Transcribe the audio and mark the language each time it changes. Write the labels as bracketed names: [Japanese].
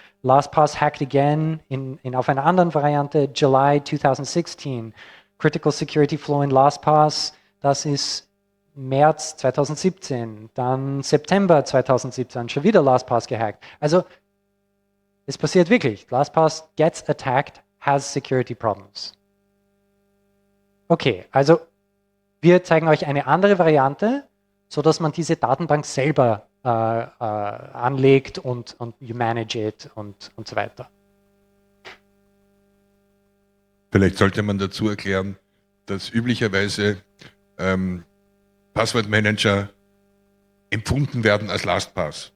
[English] LastPass hacked again in [German] auf einer anderen Variante, [English] July 2016. Critical Security Flaw in LastPass, [German] das ist März 2017. Dann September 2017, schon wieder LastPass gehackt. Also es passiert wirklich. [English] LastPass gets attacked, has security problems. [German] Okay, also wir zeigen euch eine andere Variante, sodass man diese Datenbank selber anlegt und [English] you manage it [German] und so weiter. Vielleicht sollte man dazu erklären, dass üblicherweise Passwortmanager empfunden werden als LastPass.